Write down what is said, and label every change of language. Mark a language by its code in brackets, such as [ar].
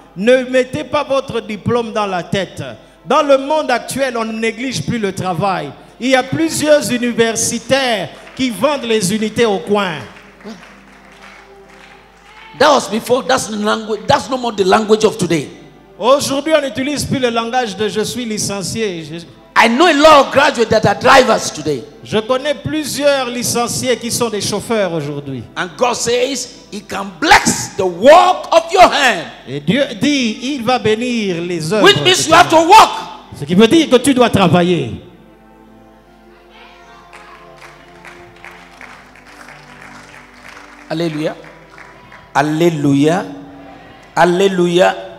[fr] Ne mettez pas votre diplôme dans la tête. Dans le monde actuel, on ne néglige plus le travail. Il y a plusieurs universitaires qui vendent les unités au coin. [en] That was before. That's the language. That's no more the language of today. [fr] Aujourd'hui, on n'utilise plus le langage de je suis licencié. [en] I know a lot of graduates that are drivers today. [fr] Je connais plusieurs licenciés qui sont des chauffeurs aujourd'hui. [en] And God says he can bless the work of your hand. [fr] Et Dieu dit, il va bénir les œuvres. [en] Which means you have to work. [fr] Ce qui veut dire que tu dois travailler. Alléluia. Alléluia. Alléluia.